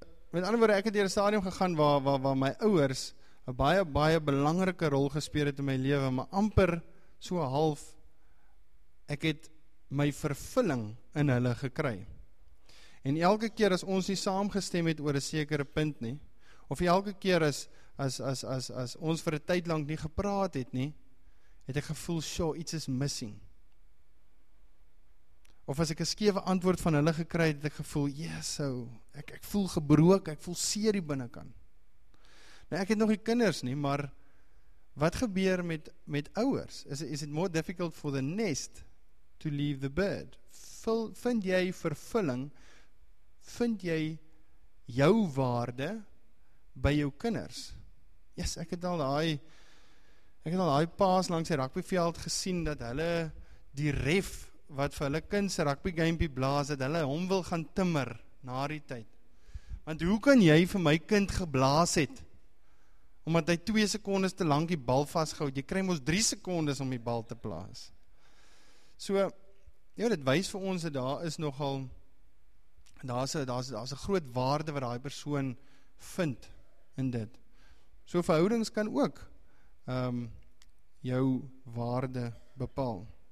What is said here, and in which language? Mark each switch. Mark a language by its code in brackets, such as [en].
[af] Met ander woorde, ek het deur 'n stadium gegaan waar my ouers 'n baie, baie belangrike rol gespeel het in my lewe, maar amper so half, ek het my vervulling in hulle gekry. En elke keer as ons nie saamgestem het oor 'n sekere punt nie, of elke keer as ons vir 'n tyd lang nie gepraat het nie, het ek gevoel, sure, iets is missing. Of as ek 'n skewe antwoord van hulle gekry het, het ek gevoel, ek voel gebroke, ek voel seer die binnenkant. Nou, ek het nog die kinders nie, maar wat gebeur met ouers? [en] Is it more difficult for the nest to leave the bird? [af] Vind jy vervulling, vind jy jou waarde by jou kinders? Yes, ek het al daai paas langs die rugbyveld gesien dat hulle die ref wat vir hulle kind se rugby gamepie blaas het, hulle hom wil gaan timmer na die tyd. Want hoe kan jy vir my kind geblaas het omdat hy 2 sekondes te lank die bal vasgehou het? Jy kry mos 3 sekondes om die bal te plaas. So ja, dit wys vir ons dat daar is nogal daar's 'n groot waarde wat daai persoon vind in dit. So verhoudings kan ook jou waarde bepaal.